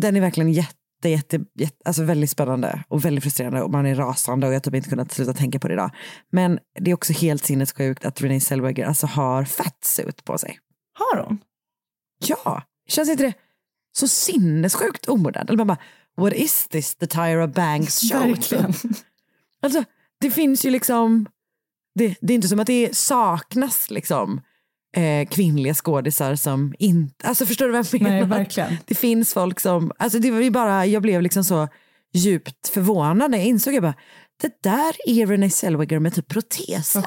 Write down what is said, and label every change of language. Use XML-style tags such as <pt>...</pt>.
<sv>Den är verkligen jätte, alltså väldigt spännande och väldigt frustrerande, och man är rasande och jag har typ inte kunnat sluta tänka på det idag. Men det är också helt sinnessjukt att Renee Zellweger alltså har fatsuit på sig. Har hon? Ja, känns inte det så sinnessjukt omodern? Eller man bara,</sv> <en>what is this, the Tyra Banks show?</en> <sv>Verkligen. Alltså, det finns ju liksom, det är inte som att det saknas liksom kvinnliga skådisar som inte, alltså förstår du vad jag menar? Nej, verkligen. Det finns folk som, alltså det var ju bara, jag blev liksom så djupt förvånad när jag insåg, jag bara, det där är Renee Zellweger med typ proteser.</sv>